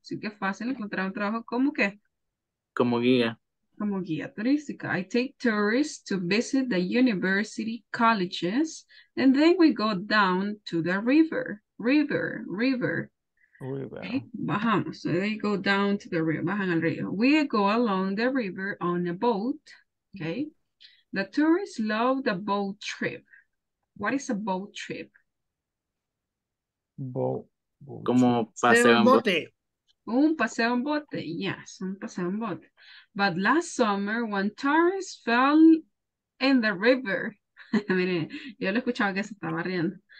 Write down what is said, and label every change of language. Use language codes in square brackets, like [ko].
[es] Así que fácil encontrar un trabajo como qué. Como guía turística. [en] I take tourists to visit the university colleges, and then we go down to the river. Okay. [es] Bajamos. [en] So they go down to the river. [es] Bajan al río. [en] We go along the river on a boat. Okay. The tourists love the boat trip. What is a boat trip? Boat. [es] Como paseo en bote. Un paseo en bote. [en] Yes, [es] un paseo en bote. [en] But last summer, one tourist fell in the river. [es] Miren, yo lo escuchaba que se estaba riendo.